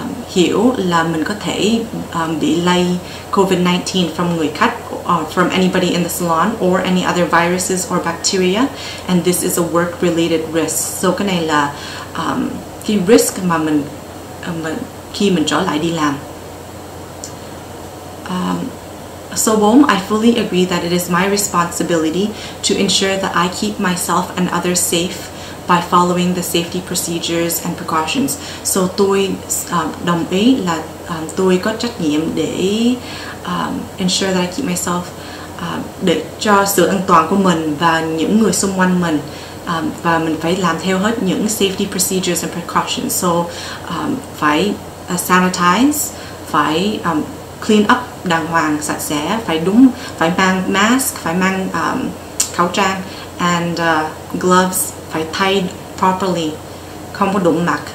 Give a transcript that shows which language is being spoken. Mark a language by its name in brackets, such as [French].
[Vietnamese] hiểu là mình có thể bị lây [English] COVID-19 from [Vietnamese] người khách, [English] from anybody in the salon or any other viruses or bacteria, and this is a work-related risk. [Vietnamese] So cái này là cái risk mà mình khi mình trở lại đi làm. [English] So Bom, I fully agree that it is my responsibility to ensure that I keep myself and others safe by following the safety procedures and precautions. [Vietnamese] So tôi đồng ý là tôi có trách nhiệm để [English] ensure that I keep myself [Vietnamese] để cho sự an toàn của mình và những người xung quanh mình, và mình phải làm theo hết những [English] safety procedures and precautions. [Vietnamese] So phải sanitize, phải clean up đàng hoàng, sạch sẽ, phải đúng, phải mang mask, phải mang khẩu trang and gloves, phải thay properly, không có đụng mặt.